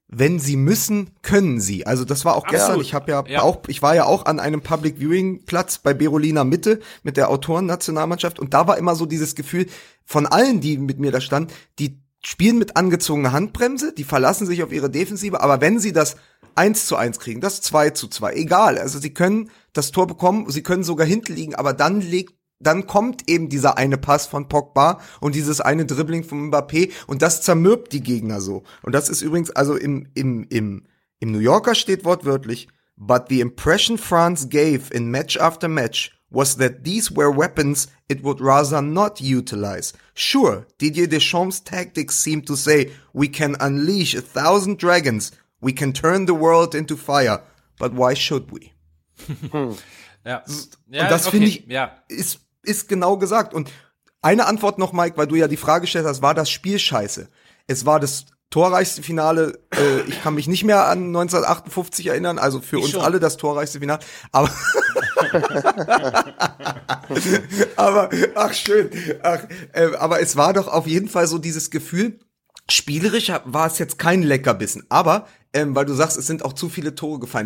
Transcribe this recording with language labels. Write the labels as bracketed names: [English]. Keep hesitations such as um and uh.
[German] wenn sie müssen, können sie. Also das war auch gestern. Ich habe ja, auch, ich war ja auch an einem Public Viewing Platz bei Berolina Mitte mit der Autoren-Nationalmannschaft und da war immer so dieses Gefühl von allen, die mit mir da standen, die spielen mit angezogener Handbremse, die verlassen sich auf ihre Defensive, aber wenn sie das 1 zu 1 kriegen, das 2 zu 2, egal. Also sie können das Tor bekommen, sie können sogar hinten liegen, aber dann legt dann kommt eben dieser eine Pass von Pogba und dieses eine Dribbling von Mbappé und das zermürbt die Gegner so. Und das ist übrigens, also im, im, im, im New Yorker steht wortwörtlich, [English] but the impression France gave in match after match was that these were weapons it would rather not utilize. Sure, Didier Deschamps' tactics seem to say, we can unleash a thousand dragons, we can turn the world into fire, but why should we? [German] Ja. und das okay, finde ich, Ja. ist, ist genau gesagt. Und eine Antwort noch, Mike, weil du ja die Frage gestellt hast, war das Spiel scheiße? Es war das torreichste Finale, äh, ich kann mich nicht mehr an 1958 erinnern, also für uns schon. alle das torreichste Finale, aber aber ach schön, ach, äh, aber es war doch auf jeden Fall so dieses Gefühl, spielerisch war es jetzt kein Leckerbissen, aber ähm, weil du sagst, es sind auch zu viele Tore gefallen.